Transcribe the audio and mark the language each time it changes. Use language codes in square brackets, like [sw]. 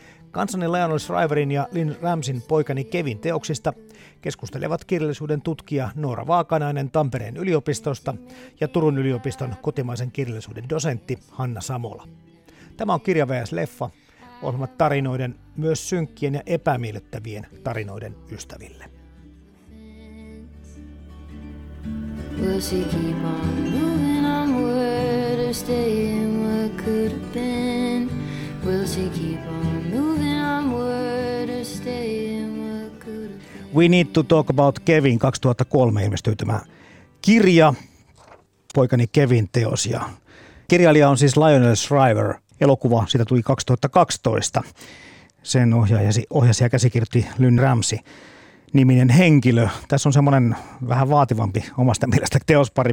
[fi] Kanssani Lionel Shriverin ja Lynn Ramseyn Poikani Kevin teoksista keskustelevat kirjallisuuden tutkija Noora Vaakanainen Tampereen yliopistosta ja Turun yliopiston kotimaisen kirjallisuuden dosentti Hanna Samola. Tämä on Kirja vs. Leffa, ohjelmat tarinoiden, myös synkkien ja epämiellyttävien tarinoiden ystäville. [en] Will she keep on moving onward or stay in what could have been? Will she keep on moving onward or stay in what could have been? We need to talk about Kevin. [fi] 2003 ilmestyi tämä kirja, Poikani Kevin teos. Ja kirjailija on siis Lionel Shriver. Elokuva siitä tuli 2012. Sen ohjasi ja käsikirjoitti Lynn Ramsey. Niminen henkilö. Tässä on semmoinen vähän vaativampi omasta mielestä teospari.